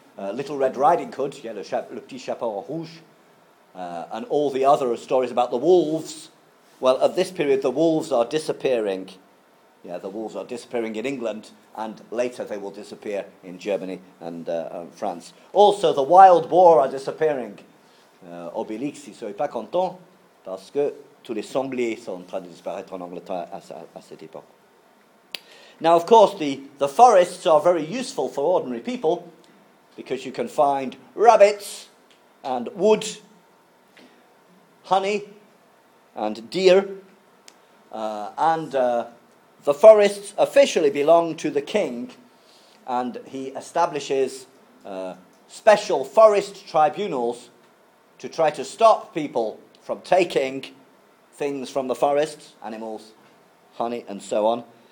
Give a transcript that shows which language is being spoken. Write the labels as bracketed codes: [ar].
[en] Little Red Riding Hood, [fr] Le Petit Chapeau Rouge, [en] and all the other stories about the wolves. Well, at this period, the wolves are disappearing. Yeah, the wolves are disappearing in England, and later they will disappear in Germany and France. Also, the wild boar are disappearing. [fr] Obélix, il ne serait pas content, parce que tous les sangliers sont en train de disparaître en Angleterre à cette époque. [en] Now, of course, the forests are very useful for ordinary people, because you can find rabbits and wood, honey and deer. The forests officially belong to the king, and he establishes special forest tribunals to try to stop people from taking things from the forests, animals, honey and so on.